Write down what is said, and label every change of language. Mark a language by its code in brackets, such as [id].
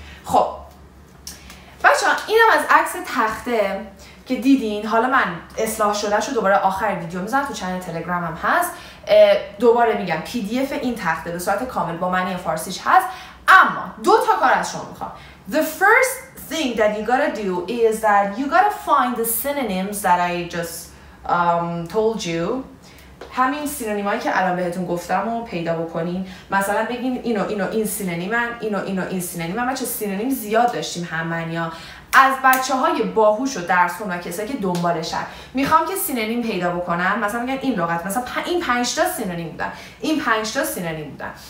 [fa] خب بچه ها، اینم از عکس تخته که دیدین. حالا من اصلاح شده شو دوباره آخر ویدیو میزنم، تو چنل تلگرام هم هست. دوباره میگم پی دی اف این تخته به صورت کامل با معنی فارسیش هست. اما دو تا کار از شما میخوام. [en] The first thing that you gotta do is that you gotta find the synonyms that I just told you. [fa] همین سینونیمایی که الان بهتون گفتم رو پیدا بکنین. مثلا بگین اینو اینو این سینونیمن، اینو اینو این سینونیمن. بچه سینونیم زیاد داشتیم هم معنی ها. از بچه های باهوش و درسون و کسایی که دنبالشن میخوام که سینونیم پیدا بکنن، مثلا میگن این لغت مثلا این پنجتا سینونیم بودن، این پنجتا سینونیم بودن.